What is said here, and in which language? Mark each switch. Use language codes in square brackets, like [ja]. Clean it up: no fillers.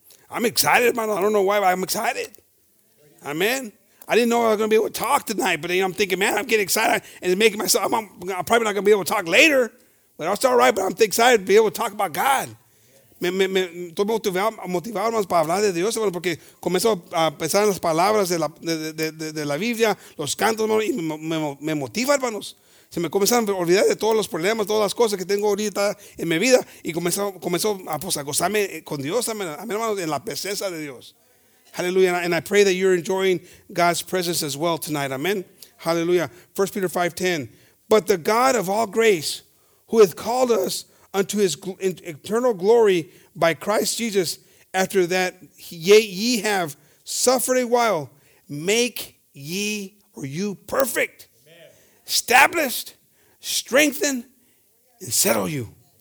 [en] I'm excited, hermanos. I don't know why, but I'm excited. Amén. I didn't know I was going to be able to talk tonight, but you know, I'm thinking, man, I'm getting excited and making myself, I'm probably not going to be able to talk later, but I'll start right, but I'm excited to be able to talk about God. [es] Estoy motivado, hermanos, para hablar de Dios, hermanos, porque comienzo a pensar en las palabras de la Biblia, los cantos, hermanos, y me motiva, hermanos. Se me comenzaron a olvidar de todos los problemas, todas las cosas que tengo ahorita en mi vida, y comenzó a gozarme con Dios, hermanos, en la presencia de Dios. [en] Hallelujah. And I pray that you're enjoying God's presence as well tonight. Amen. Hallelujah. 1 Peter 5:10. But the God of all grace, who hath called us unto his eternal glory by Christ Jesus, after that ye have suffered a while, make ye or you perfect, amen, established, strengthen, and settle you.